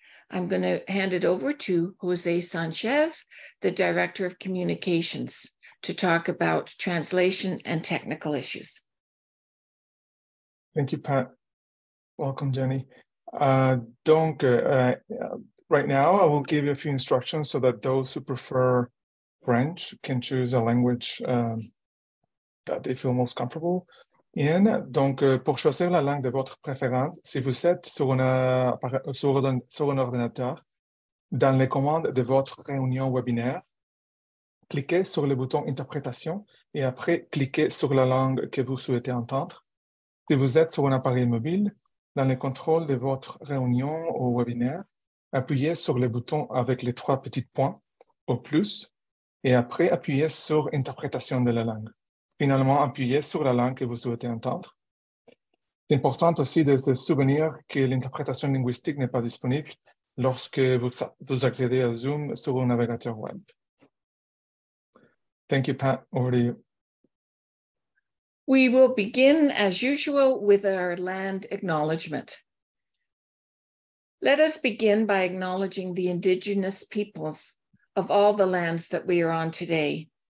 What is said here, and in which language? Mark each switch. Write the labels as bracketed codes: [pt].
[en] I'm going to hand it over to Jose Sanchez, the Director of Communications, to talk about translation and technical issues. Thank you, Pat. Welcome, Jenny. Right now, I will give you a few instructions so that those who prefer French can choose a language that they feel most comfortable. [fr] Et donc, pour choisir la langue de votre préférence, si vous êtes sur un ordinateur, dans les commandes de votre réunion webinaire, cliquez sur le bouton Interprétation et après, cliquez sur la langue que vous souhaitez entendre. Si vous êtes sur un appareil mobile, dans les contrôles de votre réunion ou webinaire, appuyez sur le bouton avec les trois petits points au plus et après, appuyez sur Interprétation de la langue. Finalement, appuyez sur la langue que vous souhaitez entendre. C'est important aussi de se souvenir que l'interprétation linguistique n'est pas disponible lorsque vous accédez à Zoom sur un navigateur web. [en] Thank you, Pat. Over to you. We will begin, as usual, with our land acknowledgement. Let us begin by acknowledging the Indigenous peoples of all the lands that we are on today.